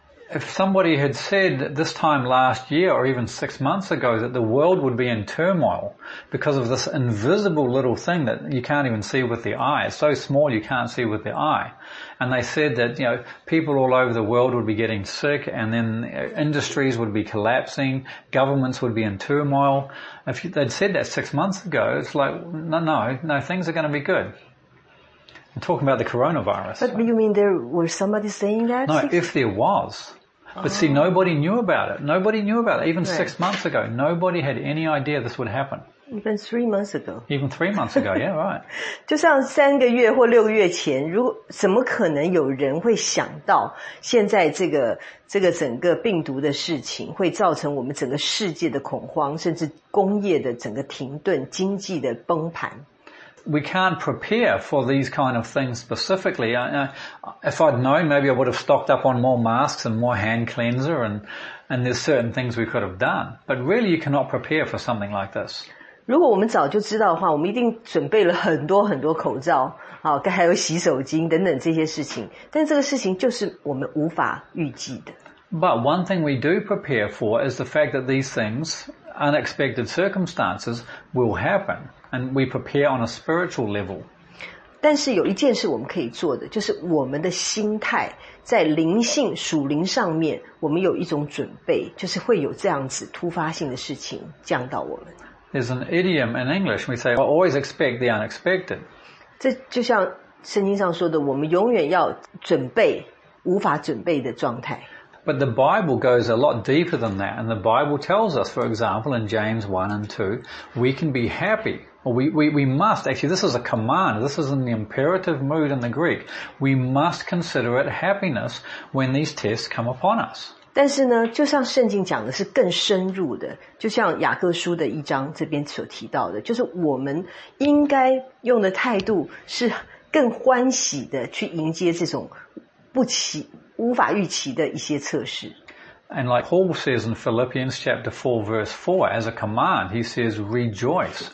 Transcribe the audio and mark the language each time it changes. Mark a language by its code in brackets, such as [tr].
[en] If somebody had said this time last year or even 6 months ago that the world would be in turmoil because of this invisible little thing that you can't even see with the eye, it's so small you can't see with the eye. And they said that, you know, people all over the world would be getting sick and then industries would be collapsing, governments would be in turmoil. If they'd said that 6 months ago, it's like, no, things are going to be good. I'm talking about the coronavirus. But you mean there was somebody saying that? No, if there was. But see, nobody knew about it. Nobody knew about it. Even right. 6 months ago, nobody had any idea this would happen. Even 3 months ago. Even 3 months ago, yeah, right. [zh] 就像三个月或六个月前，如果怎么可能有人会想到现在这个整个病毒的事情会造成我们整个世界的恐慌，甚至工业的整个停顿，经济的崩盘。 [en] We can't prepare for these kind of things specifically. If I'd known, maybe I would have stocked up on more masks and more hand cleanser and there's certain things we could have done. But really you cannot prepare for something like this. [zh] 如果我们早就知道的话我们一定准备了很多很多口罩还有洗手巾等等这些事情但这个事情就是我们无法预计的。 [en] But one thing we do prepare for is the fact that these things, unexpected circumstances, will happen. And we prepare on a spiritual level. [zh] 但是有一件事我们可以做的，就是我们的心态在灵性、属灵上面，我们有一种准备，就是会有这样子突发性的事情降到我们。 [en] There's an idiom in English. We say, "I always expect the unexpected." [zh] 这就像圣经上说的，我们永远要准备无法准备的状态。 [en] But the Bible goes a lot deeper than that, and the Bible tells us, for example, in James 1 and 2, we can be happy, or we must, actually this is a command, this is in the imperative mood in the Greek, we must consider it happiness when these tests come upon us. [zh] 但是呢就像圣经讲的是更深入的就像雅各书的一章这边所提到的就是我们应该用的态度是更欢喜的去迎接这种不期无法预期的一些测试。 [en] And like Paul says in Philippians chapter 4 verse 4, as a command, he says rejoice.